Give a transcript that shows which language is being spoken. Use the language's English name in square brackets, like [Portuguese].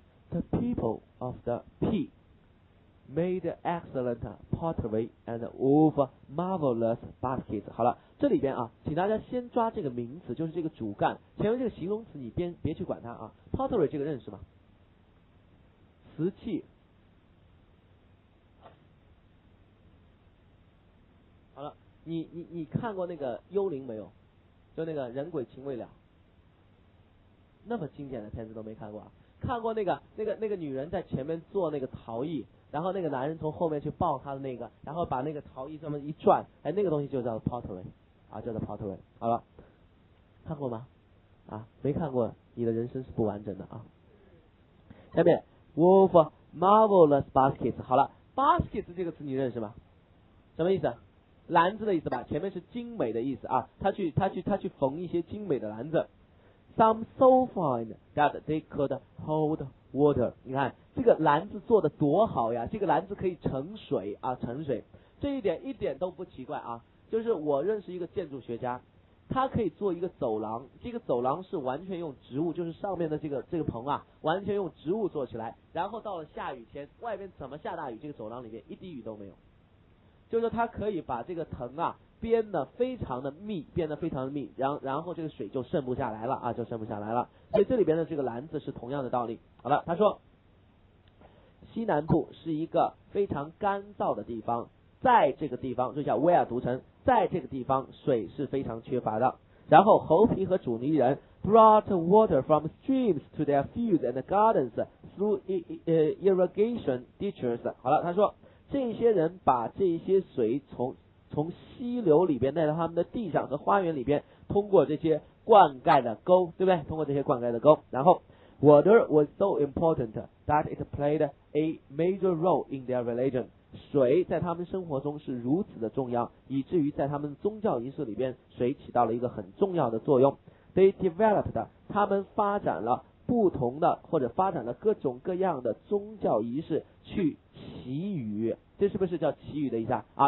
[English] The people of the pea made excellent pottery and wove marvelous baskets。 [Chinese] 好了，这里边啊，请大家先抓这个名词，就是这个主干，前面这个形容词你别去管它啊。 Pottery 这个认识吗？瓷器。好了，你看过那个幽灵没有？就那个人鬼情未了，那么经典的片子都没看过啊？看过那个女人在前面做那个陶艺，然后那个男人从后面去抱她的那个，然后把那个陶艺这么一转，哎，那个东西就叫 pottery。啊，叫做 pottery。好了，看过吗？啊，没看过你的人生是不完整的啊。下面 [English] wolf marvelous baskets。 [Chinese] 好了， baskets 这个词你认识吗？什么意思？篮子的意思吧，前面是精美的意思啊，他去缝一些精美的篮子。 [English] some so fine that they could hold water。 [Chinese] 你看这个篮子做的多好呀，这个篮子可以盛水啊，盛水，这一点一点都不奇怪啊。就是我认识一个建筑学家，他可以做一个走廊，这个走廊是完全用植物，就是上面的这个棚啊，完全用植物做起来，然后到了下雨天，外面怎么下大雨，这个走廊里面一滴雨都没有。就是他可以把这个藤啊编得非常的密，编得非常的密，然后这个水就渗不下来了啊，就渗不下来了。所以这里边的这个篮子是同样的道理。好了，他说西南部是一个非常干燥的地方，在这个地方就叫 where 读成，在这个地方水是非常缺乏的。然后猴皮和阻尼人 [English] brought water from streams to their fields and gardens through irrigation ditches。 [Chinese] 好了，他说这些人把这些水从溪流里边带到他们的地上和花园里边，通过这些灌溉的沟，对不对？通过这些灌溉的沟。然后 [English] water was so important that it played a major role in their religion。 [Chinese] 水在他们生活中是如此的重要，以至于在他们宗教仪式里边，水起到了一个很重要的作用。 [English] They developed [Chinese] 他们发展了不同的，或者发展了各种各样的宗教仪式去祈雨，这是不是叫祈雨的意思啊？